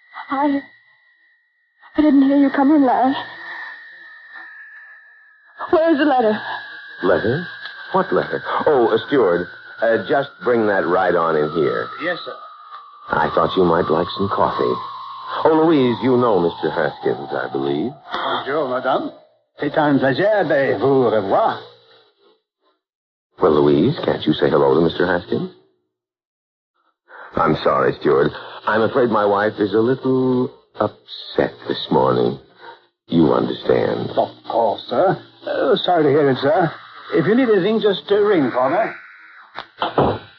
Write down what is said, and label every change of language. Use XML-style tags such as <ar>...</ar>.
<en>I didn't hear you come in, Larry. Where is the letter? Letter? What letter? Oh, a steward, just bring that right on in here. Yes, sir. I thought you might like some coffee. Oh, Louise, you know Mr. Haskins, I believe.</en> <fr>Bonjour, madame. C'est un plaisir de vous revoir.</fr> <en>Well, Louise, can't you say hello to Mr. Haskins? I'm sorry, steward. I'm afraid my wife is a little upset this morning. You understand. Of course, sir. Sorry to hear it, sir. If you need anything, just ring for me.</en>